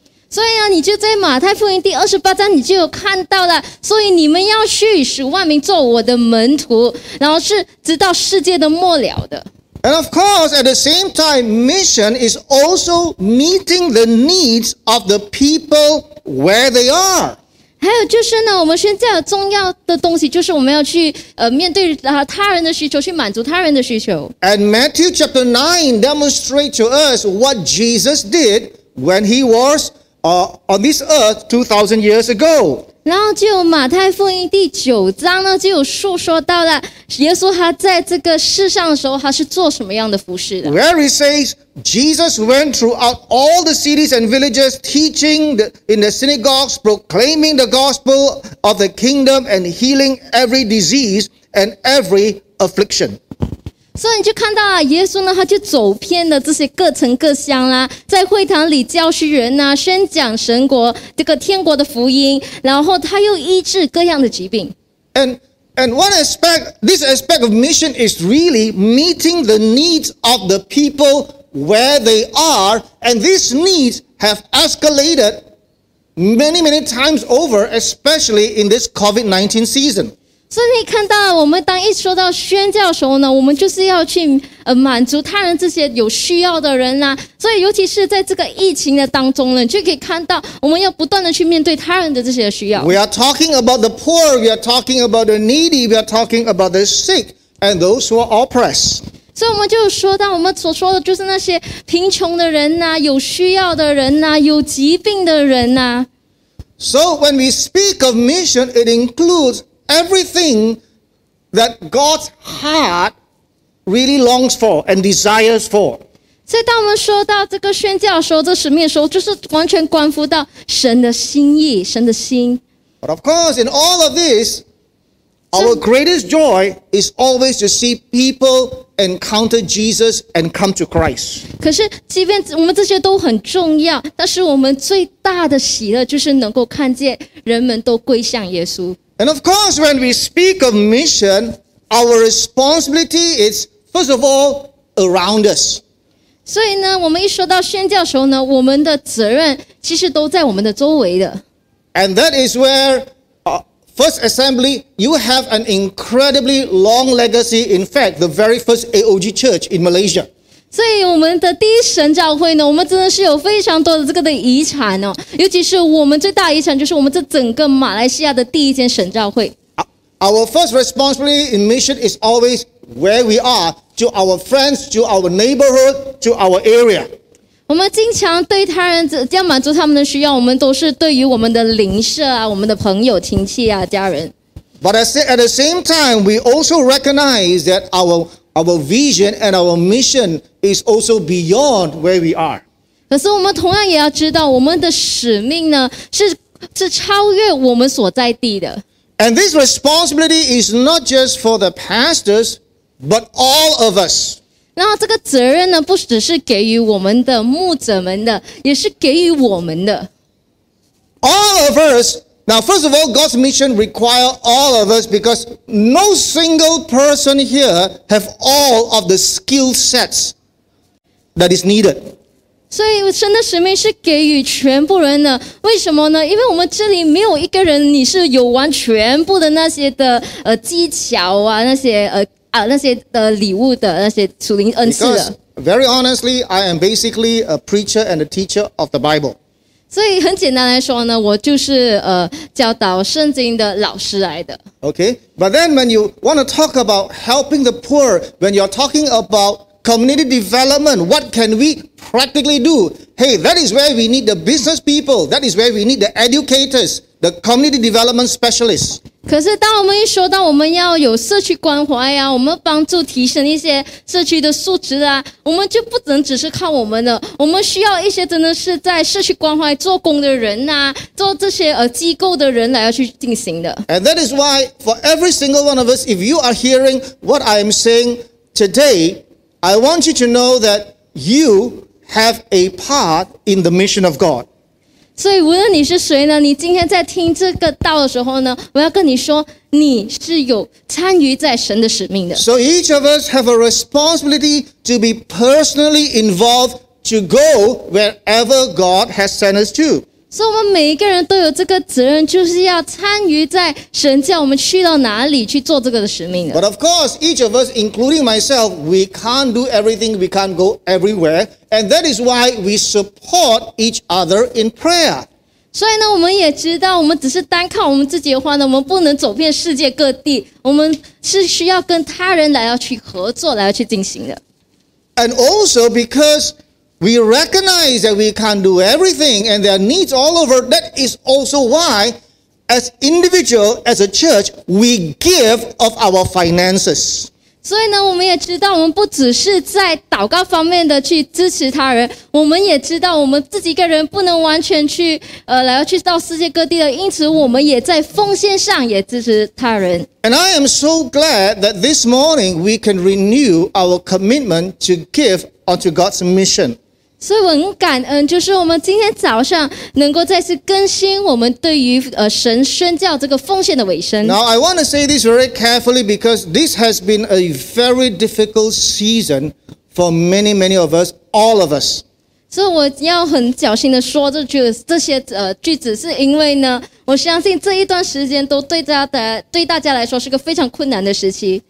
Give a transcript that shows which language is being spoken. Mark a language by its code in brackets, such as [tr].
[zh] 所以啊，你就在马太福音第28章，你就有看到了。所以你们要去使万民做我的门徒，然后是直到世界的末了的。 [en] And of course, at the same time, mission is also meeting the needs of the people where they are. [zh] 还有就是呢，我们宣教重要的东西就是我们要去面对他人的需求，去满足他人的需求。 [en] And Matthew chapter 9 demonstrates to us what Jesus did when he was on this earth 2,000 years ago. [zh] 然后就马太福音第九章呢，就有述说到了耶稣他在这个世上的时候，他是做什么样的服事的。 [en] Where it says Jesus went throughout all the cities and villages, teaching in the synagogues, proclaiming the gospel of the kingdom, and healing every disease and every affliction. [zh] 所以你就看到啊，耶稣呢，他就走遍了这些各城各乡啦，在会堂里教训人呐、啊，宣讲神国这个天国的福音，然后他又医治各样的疾病。 [en] And one aspect, this aspect of mission is really meeting the needs of the people where they are, and these needs have escalated many, many times over, especially in this COVID-19 season. [zh] 所以你看到了，我们当一说到宣教的时候呢，我们就是要去满足他人这些有需要的人啦、啊。所以，尤其是在这个疫情的当中呢，你就可以看到我们要不断的去面对他人的这些需要。 [en] We are talking about the poor, we are talking about the needy, we are talking about the sick and those who are oppressed. [zh] 所以我们就说到，我们所说的就是那些贫穷的人呐、啊，有需要的人呐、啊，有疾病的人呐、啊。 [en] So when we speak of mission, it includes everything that God's heart really longs for and desires for. [zh] 所以当我们说到这个宣教的时候，这使命的时候，就是完全关乎到神的心意，神的心。 [en] But of course, in all of this, our greatest joy is always to see people encounter Jesus and come to Christ. [zh] 可是，即便我们这些都很重要，但是我们最大的喜乐就是能够看见人们都归向耶稣。 [en] And of course, when we speak of mission, our responsibility is first of all around us. [zh] 所以呢，我们一说到宣教的时候呢，我们的责任其实都在我们的周围的。 [en] And that is where, First Assembly, you have an incredibly long legacy. In fact, the very first AOG church in Malaysia. [zh] 所以我们的第一神教会呢，我们真的是有非常多的这个的遗产哦。尤其是我们最大的遗产，就是我们这整个马来西亚的第一间神教会。 [en] Our first responsibility in mission is always where we are. To our friends, to our neighborhood, to our area. [zh] 我们经常对他人要满足他们的需要，我们都是对于我们的邻舍啊，我们的朋友、亲戚啊、家人。 [en] But at the same time, we also recognize that our vision and our mission is also beyond where we are. [zh] 可是我们同样也要知道，我们的使命呢是超越我们所在地的。 [en] And this responsibility is not just for the pastors. But all of us. [zh] 然后这个责任呢，不只是给予我们的牧者们的，也是给予我们的。 [en] All of us. Now, first of all, God's mission require all of us because no single person here have all of the skill sets that is needed. [zh] 所以神的使命是给予全部人的。为什么呢？因为我们这里没有一个人你是有完全部的那些的技巧啊，那些那些的礼物的那些属灵恩赐的。 [en] Because, very honestly, I am basically a preacher and a teacher of the Bible. [zh] 所以很简单来说呢，我就是教导圣经的老师来的。 [en] Okay, but then when you want to talk about helping the poor, when you're talking about community development, what can we practically do? Hey, that is where we need the business people. That is where we need the educators, the community development specialists. [zh] 可是当我们一说到我们要有社区关怀啊，我们帮助提升一些社区的素质啊，我们就不能只是靠我们的，我们需要一些真的是在社区关怀做工的人啊，做这些机构的人来要去进行的。 [en] And that is why for every single one of us, if you are hearing what I am saying today, I want you to know that you have a part in the mission of God. [zh] 所以无论你是谁呢，你今天在听这个道的时候呢，我要跟你说，你是有参与在神的使命的。 [en] So each of us have a responsibility to be personally involved to go wherever God has sent us to. [zh] 所以我们每一个人都有这个责任，就是要参与在神叫我们去到哪里去做这个的使命的。 [en] But of course, each of us, including myself, we can't do everything, we can't go everywhere. And that is why we support each other in prayer. [zh] 所以呢，我们也知道，我们只是单靠我们自己的话呢，我们不能走遍世界各地。我们是需要跟他人来要去合作，来要去进行的。 [en] And also because we recognize that we can't do everything, and there are needs all over. That is also why, as individual, as a church, we give of our finances. [zh] 所以呢，我们也知道，我们不只是在祷告方面的去支持他人，我们也知道我们自己一个人不能完全去来去到世界各地的，因此我们也在奉献上也支持他人。 [en] And I am so glad that this morning we can renew our commitment to give unto God's mission. [zh] 所以我很感恩，就是我们今天早上能够再次更新我们对于神宣教这个奉献的尾声。 [en] Now I want to say this very carefully because this has been a very difficult season for many, many of us, all of us. [zh] 所以我要很小心的说这些句子，是因为呢，我相信这一段时间都对大家来说是个非常困难的时期。